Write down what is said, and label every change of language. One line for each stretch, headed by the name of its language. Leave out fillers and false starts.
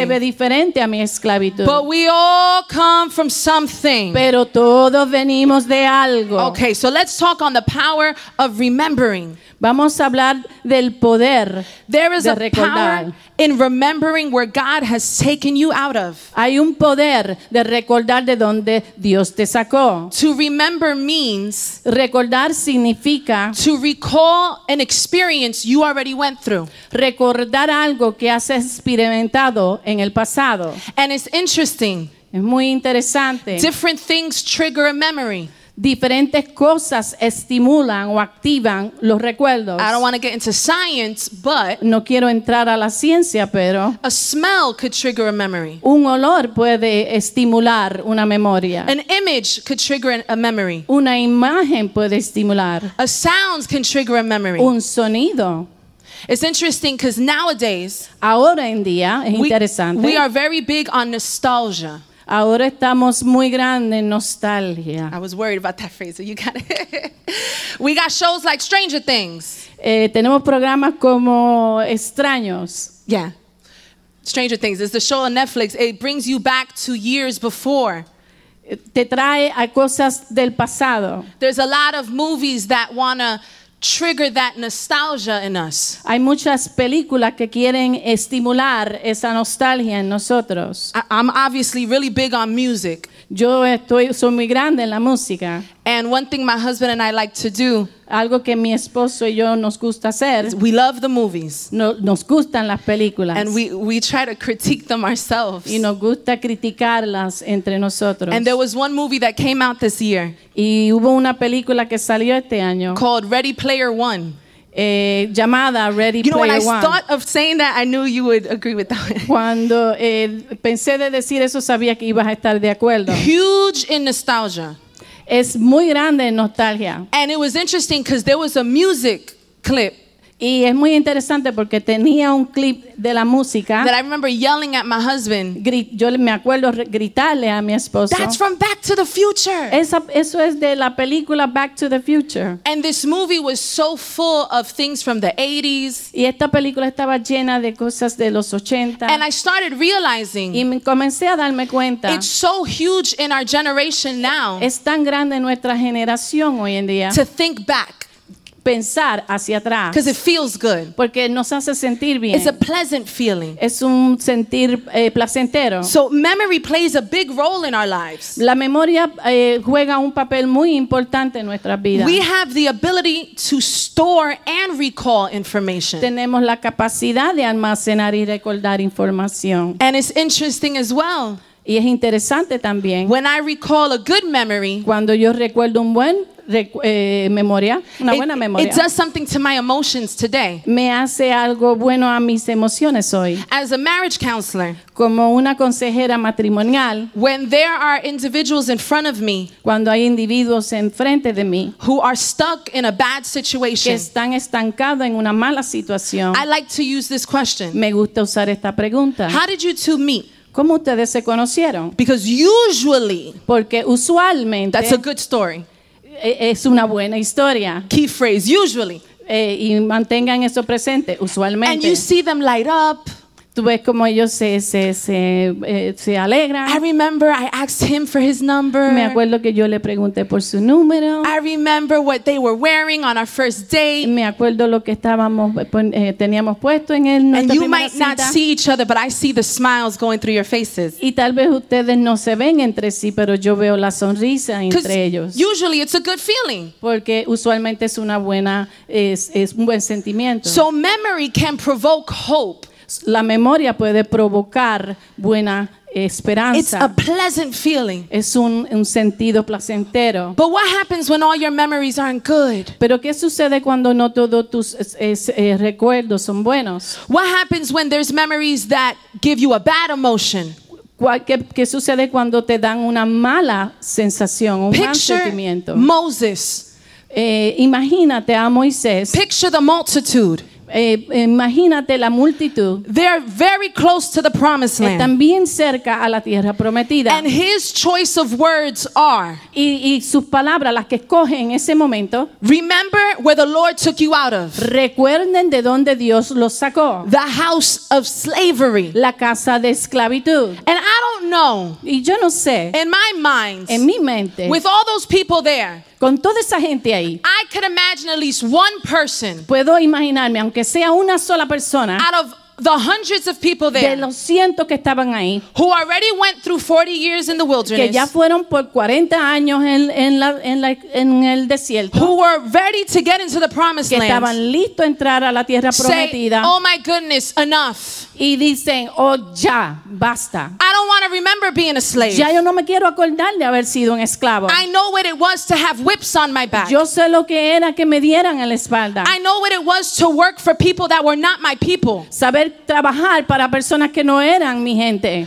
Spanish: Se ve diferente a mi esclavitud.
English: But we all come from something.
Spanish: Pero todos venimos de algo.
English: Okay, so let's talk on the power of remembering.
Spanish: Vamos a hablar del poder de recordar.
English: There is a power in remembering where God has taken you out of.
Spanish: Hay un poder de recordar de donde Dios te sacó.
English: To remember means
Spanish: recordar significa
English: to recall an experience you already went through.
Spanish: Recordar algo que has experimentado en el pasado.
English: And it's interesting.
Spanish: Es muy interesante.
English: Different things trigger a memory.
Spanish: Diferentes cosas estimulan o activan los recuerdos.
English: I don't want to get into science, but
Spanish: no quiero entrar a la ciencia, pero
English: a smell could trigger a memory.
Spanish: Un olor puede estimular una memoria.
English: An image could trigger a memory.
Spanish: Una imagen puede estimular.
English: A sound can trigger a memory.
Spanish: Un sonido.
English: It's interesting because nowadays,
Spanish: ahora en día, es interesante.
English: We are very big on nostalgia.
Spanish: Ahora estamos muy grandes en nostalgia.
English: I was worried about that phrase. You got it. We got shows like Stranger Things.
Spanish: Tenemos programas como Extraños.
English: Yeah. Stranger Things is the show on Netflix. It brings you back to years before.
Spanish: Te trae a cosas del pasado.
English: There's a lot of movies that wanna trigger that nostalgia in us.
Spanish: Hay muchas películas que quieren estimular esa nostalgia en nosotros.
English: I'm obviously really big on music.
Spanish: Yo estoy soy muy grande en la música.
English: And one thing my husband and I like to do,
Spanish: algo que mi esposo y yo nos gusta hacer,
English: we love the movies.
Spanish: Nos gustan las películas.
English: And we try to critique them ourselves.
Spanish: Y nos gusta criticarlas entre nosotros.
English: And there was one movie that came out this year.
Spanish: Y hubo una película que salió este año.
English: Called Ready Player One.
Spanish: Llamada Ready
English: you know, Player One. You know, when I thought of saying that, I knew you would agree with that.
Spanish: Cuando pensé de decir eso, sabía que ibas a estar de acuerdo.
English: Huge in nostalgia.
Spanish: Es muy grande en nostalgia.
English: And it was interesting because there was a music clip.
Spanish: Y es muy interesante porque tenía un clip de la música.
English: That I remember yelling at my husband.
Spanish: Yo me acuerdo gritarle a mi esposo.
English: That's from Back to the Future.
Spanish: Eso es de la película Back to the Future.
English: And this movie was so full of things from the 80s.
Spanish: Y esta película estaba llena de cosas de los 80.
English: And I started realizing.
Spanish: Y comencé a darme cuenta.
English: It's so huge in our generation now.
Spanish: Es tan grande en nuestra generación hoy en día.
English: To think back.
Spanish: Pensar hacia atrás.
English: Because it feels good.
Spanish: Porque nos hace sentir bien.
English: It's a pleasant feeling.
Spanish: Es un sentir placentero.
English: So memory plays a big role in our lives.
Spanish: La memoria juega un papel muy importante en nuestras vidas.
English: We have the ability to store and recall information.
Spanish: Tenemos la capacidad de almacenar y recordar información.
English: And it's interesting as well.
Spanish: Y es interesante también.
English: When I recall a good memory.
Spanish: Cuando yo recuerdo un buen memoria, una buena memoria.
English: It does something to my emotions today.
Spanish: Me hace algo bueno a mis emociones hoy.
English: As a marriage counselor,
Spanish: como una consejera matrimonial,
English: when there are individuals in front of me,
Spanish: cuando hay individuos enfrente de mí,
English: who are stuck in a bad situation,
Spanish: que están estancados en una mala situación,
English: I like to use this question.
Spanish: Me gusta usar esta pregunta.
English: How did you two meet?
Spanish: ¿Cómo ustedes se conocieron?
English: Because usually,
Spanish: porque usualmente,
English: that's a good story.
Spanish: Es una buena historia.
English: Key phrase, usually.
Spanish: Y mantengan eso presente, usualmente.
English: And you see them light up.
Spanish: Tú ves como ellos se alegran.
English: I remember I asked him for his number.
Spanish: Me acuerdo que yo le pregunté por su número.
English: I remember what they were wearing on our first date.
Spanish: Me acuerdo lo que estábamos teníamos puesto en el
English: And you might not see each other, but I see the smiles going through your faces.
Spanish: Y tal vez ustedes no se ven entre sí, pero yo veo la sonrisa entre ellos.
English: Usually it's a good feeling.
Spanish: Porque usualmente es una buena es un buen sentimiento.
English: So memory can provoke hope.
Spanish: La memoria puede provocar buena esperanza.
English: It's a pleasant feeling.
Spanish: Es un sentido placentero.
English: But what happens when all your memories aren't good?
Spanish: Pero ¿qué sucede cuando no todos tus recuerdos son buenos?
English: What happens when there's memories that give you a bad emotion?
Spanish: ¿Qué sucede cuando te dan una mala sensación, un mal sentimiento?
English: Picture Moses.
Spanish: Imagínate a Moisés.
English: Picture the multitude.
Spanish: Imagínate la multitud.
English: They are very close to the promised land.
Spanish: También cerca a la tierra prometida.
English: And his choice of words are.
Spanish: Y sus palabras las que escoge en ese momento.
English: Remember where the Lord took you out of.
Spanish: Recuerden de dónde Dios los sacó.
English: The house of slavery.
Spanish: La casa de esclavitud.
English: And I don't know.
Spanish: Y yo no sé.
English: In my mind.
Spanish: En mi mente.
English: With all those people there.
Spanish: Con toda esa gente ahí.
English: I could imagine at least one person.
Spanish: Puedo imaginarme aunque sea una sola persona.
English: Out of the hundreds of people there.
Spanish: De los cientos que estaban ahí.
English: Who already went through 40 years in the wilderness.
Spanish: Que ya fueron por 40 años en el desierto.
English: Who were ready to get into the promised land.
Spanish: Que estaban listos a entrar a la tierra prometida.
English: Say, oh my goodness, enough.
Spanish: Y dicen, oh ya, basta.
English: I don't want to remember being a slave.
Spanish: Ya yo no me quiero acordar de haber sido un esclavo.
English: I know what it was to have whips on my back.
Spanish: Yo sé lo que era que me dieran en la espalda.
English: I know what it was to work for people that were not my people.
Spanish: Saber trabajar para personas que no eran mi gente.